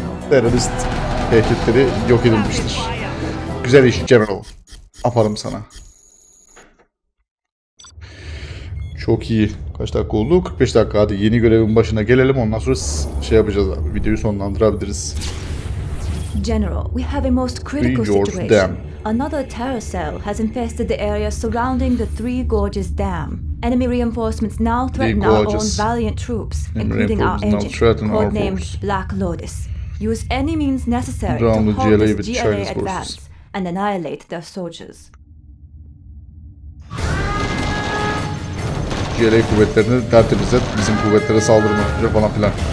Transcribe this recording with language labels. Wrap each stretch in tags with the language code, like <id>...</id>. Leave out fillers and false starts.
<tr>Terörist tehditleri yok edilmiştir. Güzel iş General. Aparım sana. Çok iyi. Kaç dakika oldu? 45 dakika. Hadi yeni görevin başına gelelim. Ondan sonra şey yapacağız abi. Videoyu sonlandırabiliriz.</tr> <en>General, we have a most critical situation. Another terror cell has infested the area surrounding the Three Gorges Dam. Enemy reinforcements now threaten our own valiant troops, including our agent, codenamed Black Lotus. Use any means necessary to hold this GLA advance and annihilate their soldiers.</en> <tr>GLA kuvvetlerini tertemiz et, bizim kuvvetlere saldırma falan filan.</tr>